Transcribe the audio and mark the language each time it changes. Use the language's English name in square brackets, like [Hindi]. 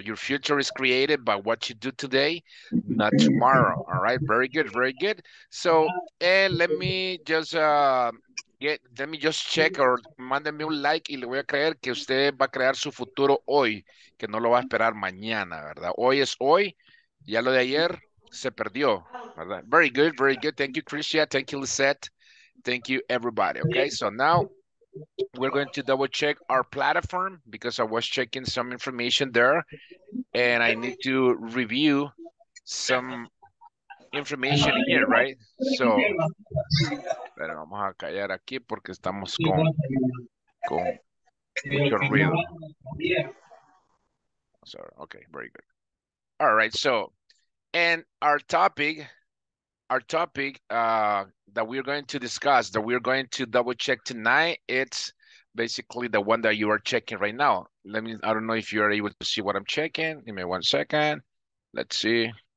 [English] Your future is created by what you do today, not tomorrow. All right, very good, very good. So, let me just check or [Spanish] mándenme un like y le voy a creer que usted va a crear su futuro hoy, que no lo va a esperar mañana, ¿verdad? Hoy es hoy, ya lo de ayer se perdió, ¿verdad? [English] Very good, very good. Thank you, Christian. Thank you, Lisette. Thank you, everybody. Okay, so now we're going to double check our platform because I was checking some information there and I need to review some information here, right? [Spanish] So, pero vamos a callar aquí porque estamos con mucho ruido. [English] Sorry. Okay, very good. All right, so, and our topic that we're going to discuss, that we're going to double check tonight, it's basically the one that you are checking right now. Let me, I don't know if you are able to see what I'm checking. Give me 1 second. Let's see.